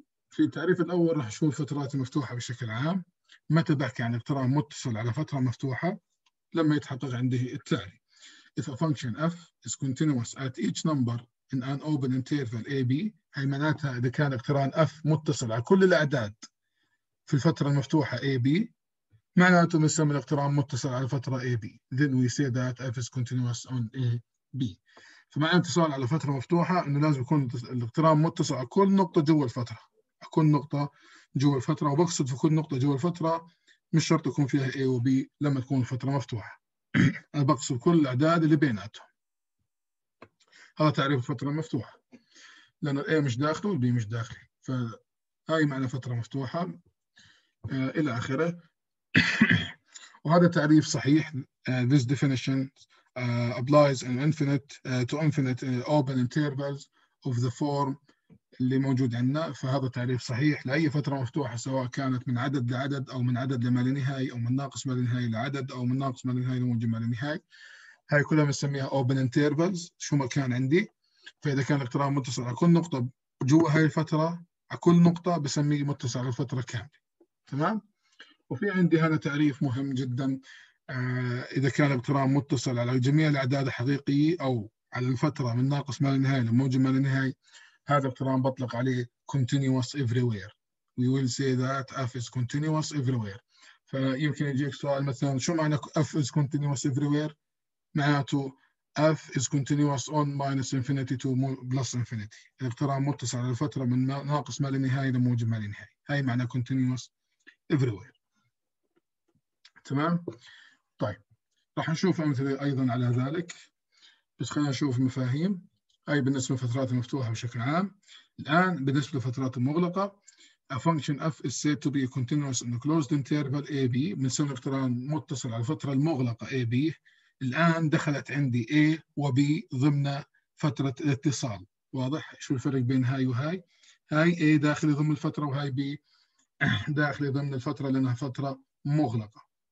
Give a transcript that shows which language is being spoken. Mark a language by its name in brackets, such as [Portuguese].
[Arabic] في التعريف الأول راح أشوف الفترات المفتوحة بشكل عام، متى بحكي عن اقتران متصل على فترة مفتوحة؟ لما يتحقق عنده التالي: [English] If a function f is continuous at each number in an open interval a b، [Arabic] هاي معناتها إذا كان اقتران f متصل على كل الأعداد في الفترة المفتوحة a b، معناته نسمي الاقتران متصل على فترة a b. [English] Then we say that f is continuous on a b. [Arabic] فمعنى اتصال على فترة مفتوحة إنه لازم يكون الاقتران متصل على كل نقطة جوا الفترة، كل نقطة جوا الفترة، وبقصد في كل نقطة جوا الفترة مش شرط يكون فيها A و B لما تكون الفترة مفتوحة. أنا بقصد كل الأعداد اللي بيناتهم. هذا تعريف الفترة المفتوحة، لأن A مش داخله وB مش داخله، فهاي معنى فترة مفتوحة إلى آخره. وهذا تعريف صحيح. [English] This definition applies in infinite to infinite open intervals of the form [Arabic] اللي موجود عندنا. فهذا تعريف صحيح لأي فترة مفتوحة، سواء كانت من عدد لعدد أو من عدد لما لا نهاية، أو من ناقص ما لا نهاية لعدد أو من ناقص ما لا نهاية لموجب ما لا نهاية. هاي كلها بنسميها open intervals شو ما كان عندي. فإذا كان الاقتران متصل على كل نقطة جوا هاي الفترة، على كل نقطة بسميه متصل على الفترة كاملة. تمام. وفي عندي هذا تعريف مهم جدا، إذا كان الاقتران متصل على جميع الأعداد الحقيقية أو على الفترة من ناقص ما لا نهاية لموجب ما لا نهاية، هذا الاقتران بطلق عليه continuous everywhere. [English] We will say that f is continuous everywhere. [Arabic] فيمكن يجيك سؤال مثلا شو معنى [English] f is continuous everywhere؟ [Arabic] معناته [English] f is continuous on minus infinity to plus infinity. [Arabic] الاقتران متصل على الفترة من ناقص ما لا نهاية لموجب ما لا نهاية. هاي معنى continuous everywhere. تمام؟ طيب راح نشوف أمثلة أيضا على ذلك، بس خلينا نشوف مفاهيم. أي بالنسبة لفترات مفتوحة بشكل عام. الآن بالنسبة لفترات مغلقة: [English] A function f is said to be continuous in a closed interval a b. [Arabic] بنسمي الاقتران متصل على الفترة المغلقة a b. الآن دخلت عندي a و b ضمن فترة الاتصال. واضح شو الفرق بين هاي وهاي؟ هاي a داخل ضمن الفترة، وهاي b داخل ضمن الفترة لأنها فترة مغلقة.